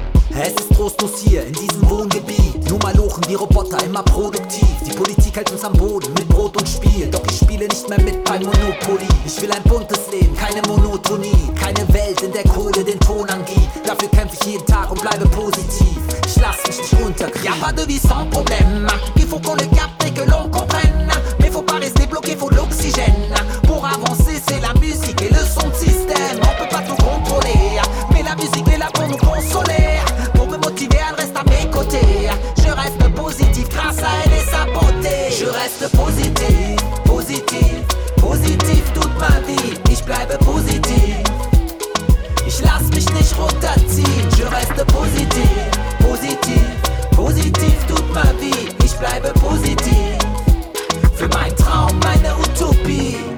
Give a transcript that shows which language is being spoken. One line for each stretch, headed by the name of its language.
German: Es ist trostlos hier in diesem Wohngebiet. Nur mal lochen die Roboter immer produktiv. Die Politik hält uns am Boden mit Brot und Spiel. Doch ich spiele nicht mehr mit bei Monopoly. Ich will ein buntes Leben, keine Monotonie. Keine Welt, in der Kohle den Ton angibt. Dafür kämpfe ich jeden Tag und bleibe positiv. Ich lass mich nicht unterkriegen.
French: Y'a pas de vie sans problème. Il faut qu'on le capte et que l'on comprenne. Mais faut pas rester bloqué, faut l'oxygène. Pour avancer, c'est la musique et le son de système. On peut pas tout contrôler, mais la musique est là pour nous consoler. Pour me motiver, elle reste à mes côtés. Je reste positif grâce à elle et sa beauté. Je reste positif, positif, positif toute ma vie.
German: Ich bleibe positif, ich lass mich nicht runterziehen.
French: Je reste positif, positif, positif toute ma vie.
German: Ich bleibe positif, für meinen Traum, meine Utopie.